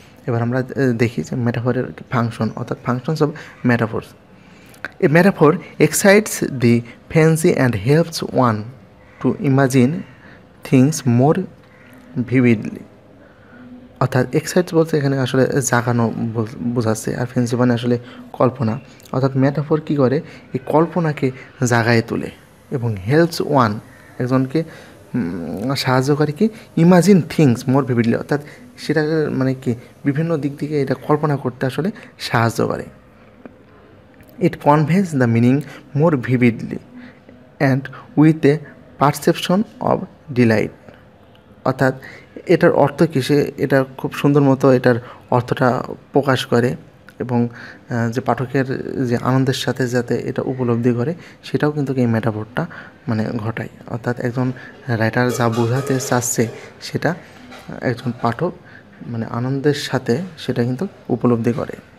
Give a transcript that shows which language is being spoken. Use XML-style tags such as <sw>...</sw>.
<bn>এবার আমরা দেখি যে মেটাফোরের ফাংশন, অর্থাৎ</bn> <en>functions of metaphors, a metaphor excites the fancy and helps one to imagine things more vividly,</en> <bn>অর্থাৎ এক্সাইটস বলতে এখানে আসলে জাগানো বোঝাচ্ছে, আর ফ্যান্সি মানে আসলে কল্পনা, অর্থাৎ মেটাফোর কী করে এই কল্পনাকে জাগায় তোলে, এবং হেল্পস ওয়ান একজনকে সাহায্য করে কি</bn> <en>imagine things more vividly,</en> <bn>অর্থাৎ সেটা মানে কি বিভিন্ন দিক থেকে এটা কল্পনা করতে আসলে সাহায্য করে।</bn> <en>It conveys the meaning more vividly and with a perception of delight.</en> <bn>অর্থাৎ এটার অর্থ কিসে, এটা খুব সুন্দর মতো এটার অর্থটা প্রকাশ করে এবং যে পাঠকের যে আনন্দের সাথে যাতে এটা উপলব্ধি করে সেটাও কিন্তু এই মেটাফরটা মানে ঘটায়। অর্থাৎ একজন রাইটার যা বোঝাতে চাচ্ছে সেটা একজন পাঠক মানে আনন্দের সাথে সেটা কিন্তু উপলব্ধি করে।</bn>